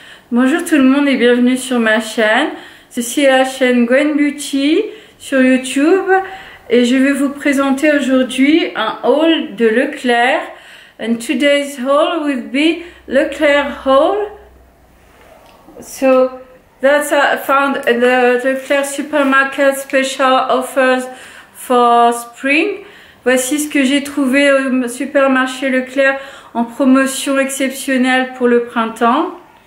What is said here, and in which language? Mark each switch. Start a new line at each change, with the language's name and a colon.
French: Bonjour tout le monde et bienvenue sur ma chaîne. Ceci est la chaîne Queen Beauty sur YouTube et je vais vous présenter aujourd'hui un haul de Leclerc.
English: And today's haul will be Leclerc haul. So that's what I found at the Leclerc supermarket special offers for spring.
French: Voici ce que j'ai trouvé au supermarché Leclerc en promotion exceptionnelle pour le printemps.